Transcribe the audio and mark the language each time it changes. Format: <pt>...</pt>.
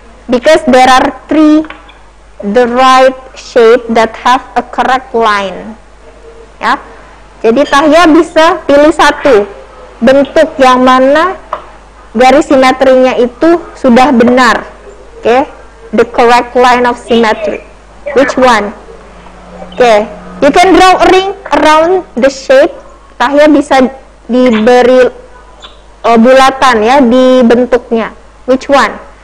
<en>Because there are three the right shape that have a correct line. Ya. Yeah.</en> <id>Jadi Tahya bisa pilih satu bentuk yang mana garis simetrinya itu sudah benar.</id> <en>Oke, okay. The correct line of symmetry. Which one? Okay, you can draw a ring around the shape.</en> <id>Tahya bisa diberi bulatan ya di bentuknya.</id> <en>Which one?</en>